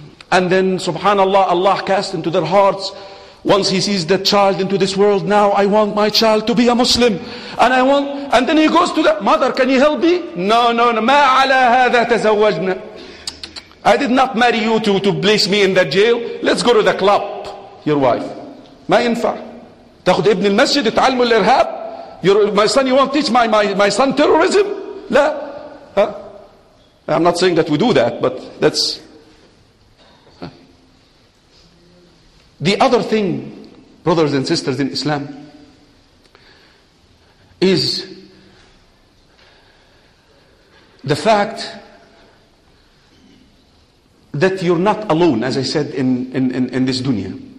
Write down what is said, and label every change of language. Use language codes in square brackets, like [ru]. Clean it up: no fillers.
[en] And then, سبحان الله, Allah cast into their hearts, once he sees that child into this world, now I want my child to be a Muslim. And I want, and then he goes to the mother, can you help me? [ar] No. ما على هذا تزوجنا. [en] I did not marry you to place me in that jail. Let's go to the club, your wife. [ar] ما ينفع. تاخد ابن المسجد تعلم الارهاب. [en] My son, you won't teach my son terrorism? [ar] لا. [en] I'm not saying that we do that, but that's... The other thing, brothers and sisters in Islam, is the fact that you're not alone, as I said, in this dunya.